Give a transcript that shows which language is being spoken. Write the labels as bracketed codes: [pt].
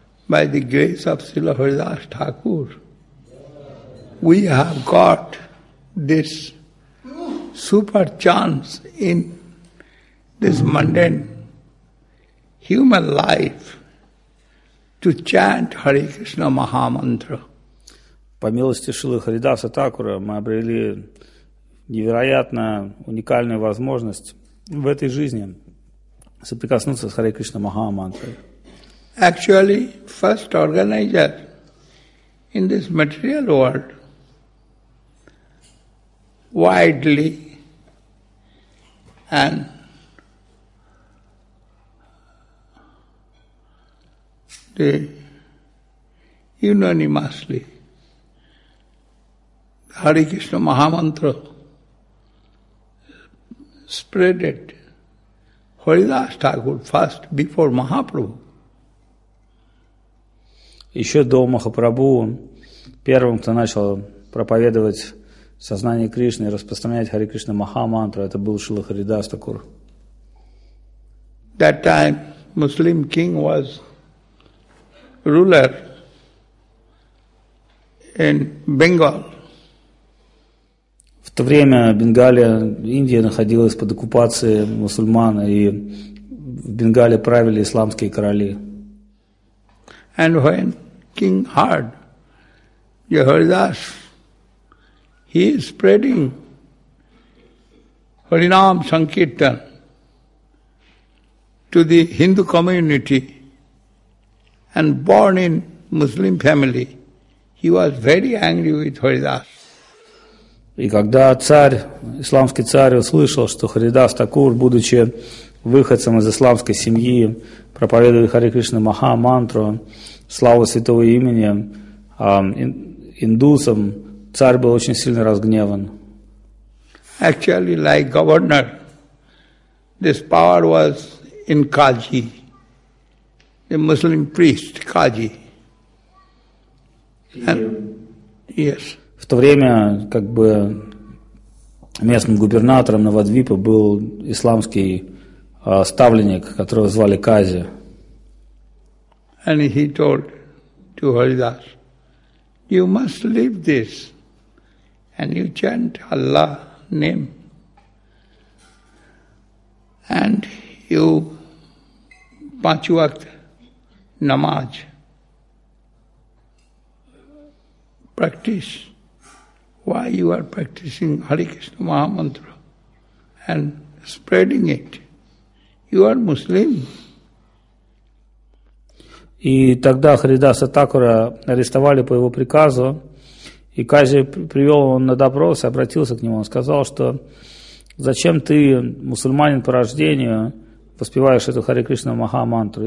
[en] By the grace of Srila Haridas Thakur we have got this super chance in this mundane human life to chant Hare Krishna mahamantra. [ru] По милости Шрилы Харидаса Такура мы обрели невероятно уникальную возможность в этой жизни соприкоснуться с Харе Кришна Махамантрой. [en] Actually, first organizer in this material world, widely and the unanimously. Hare Krishna Mahamantra spread it. Haridas Thakur first before Mahaprabhu. [ru] Еще до Махапрабху он первым, кто начал проповедовать сознание Кришны и распространять Hare Krishna Mahamantra, это был Шрила Харидас Такур. [en] That time Muslim king was ruler in Bengal. [ru] В то время Бенгалия, Индия находилась под оккупацией мусульман, и в Бенгалии правили исламские короли. [en] And when king heard Haridas, he is spreading Harinam Sankirtan to the Hindu community and born in Muslim family, he was very angry with Haridas. [ru] И когда царь, исламский царь, услышал, что Харидас Такур, будучи выходцем из исламской семьи, проповедует Харе Кришна Махамантру, славу святого имени, индусам, царь был очень сильно разгневан. [en] Actually, like governor, this power was in Kaji, the Muslim priest Kaji. Yes. [ru] В то время как бы местным губернатором Навадвипа был исламский ставленник, которого звали Кази. [en] And he told to Haridas, you must leave this and you chant Allah name and you [hi] paanch waqt [en] namaz practice. Why you are practicing Hare Krishna Mahamantra and spreading it? You are Muslim. [ru] И тогда Харидаса Такура арестовали по его приказу, и Кази привел его на допрос и обратился к нему. Он сказал, что зачем ты, мусульманин по рождению, воспеваешь эту Hare Krishna Mahamantra?